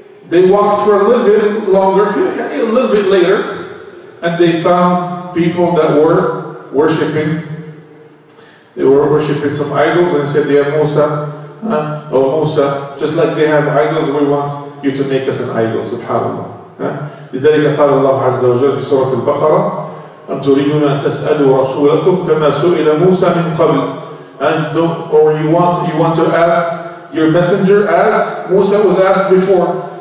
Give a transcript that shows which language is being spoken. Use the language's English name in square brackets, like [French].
[English] They walked for a little bit longer, a little bit later, and they found people that were worshipping. They were worshipping some idols, and said, "Ya Musa, oh Musa, just like they have idols, we want you to make us an idol." Subhanallah. [Arabic] لذلك قال الله عز وجل في سورة البقرة: "أم تريدون أن تسألوا رسولكم كما سئل موسى من قبل?" [English] You want to ask your messenger as Musa was asked before?